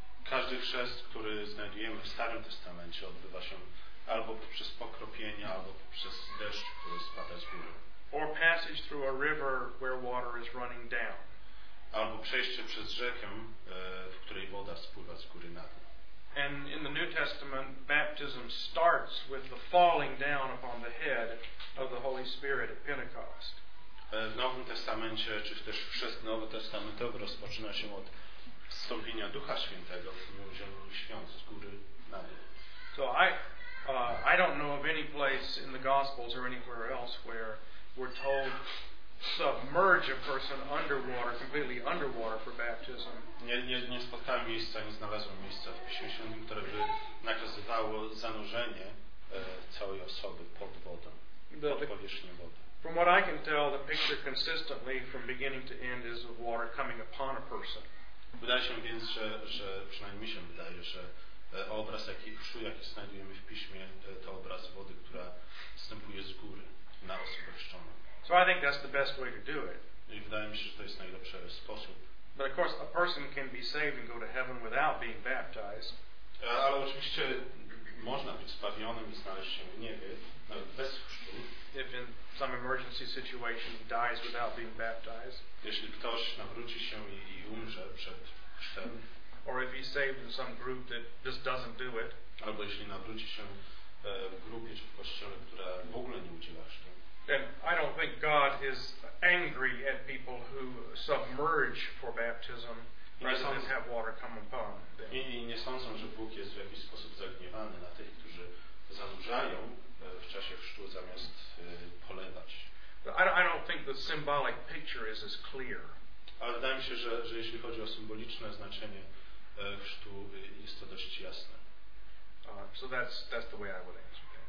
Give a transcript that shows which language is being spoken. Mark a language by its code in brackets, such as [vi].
[pl] Każdy chrzest, który znajdujemy w Starym Testamencie, odbywa się albo poprzez pokropienie, albo poprzez deszcz, który spada z góry. [en] Or passage through a river where water is running down. [pl] Albo przejście przez rzekę, w której woda spływa z góry na dół. [en] And in the New Testament, baptism starts with the falling down upon the head of the Holy Spirit at Pentecost. [pl] W Nowym Testamencie, czy też chrzest nowotestamentowy, rozpoczyna się od wstąpienia Ducha Świętego w dniu Zielonych Świąt z góry na dół. [en] So I don't know of any place in the Gospels or anywhere else where we're told submerge a person underwater, completely underwater for baptism. [pl] Nie spotkałem miejsca, nie znalazłem miejsca w Piśmie Świętym, które by nakazywało zanurzenie całej osoby pod wodą, pod powierzchnię wody. [en] From what I can tell, the picture consistently from beginning to end is of water coming upon a person. [pl] Wydaje się więc, że przynajmniej mi się wydaje, że obraz, jaki znajdujemy w Piśmie, to obraz wody, która wstępuje z góry na osobę chrzczoną. [en] So I think that's the best way to do it. [pl] I wydaje mi się, że to jest najlepszy sposób. [en] But of course, a person can be saved and go to heaven without being baptized. [pl] Ale oczywiście można być zbawionym i znaleźć się w niebie, nawet bez chrztu. [en] If in some emergency situation he dies without being baptized. [pl] Jeśli ktoś nawróci się i umrze przed chrztem. [en] Or if he's saved in some group that just doesn't do it. [pl] Albo jeśli nawróci się w grupie czy w kościele, która w ogóle nie udziela chrztu. [en] Then I don't think God is angry at people who submerge for baptism rather than have water come upon them. [pl] I nie sądzę, że Bóg jest w jakiś sposób zagniewany na tych, którzy zanurzają w czasie chrztu zamiast polewać. [en] I don't think the symbolic picture is as clear. [pl] Ale wydaje mi się, że jeśli chodzi o symboliczne znaczenie chrztu, jest to dość jasne. [en] So that's the way I would answer.